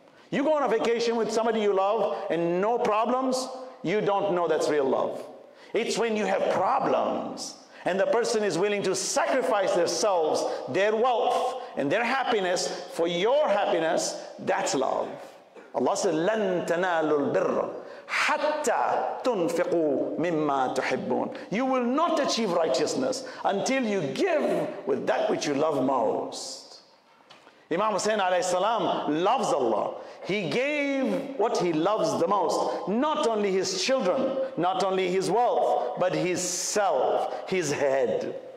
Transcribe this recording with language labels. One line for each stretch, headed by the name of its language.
English: You go on a vacation with somebody you love and no problems, you don't know that's real love. It's when you have problems and the person is willing to sacrifice themselves, their wealth, and their happiness for your happiness, that's love.
Arabic: Allah said, لَن تَنَالُوا الْبِرَّ حَتَّى تُنْفِقُوا مِمَّا تُحِبُّونَ.
English: You will not achieve righteousness until you give with that which you love most. Imam Hussein alayhi salam loves Allah. He gave what he loves the most. Not only his children, not only his wealth, but his self, his head.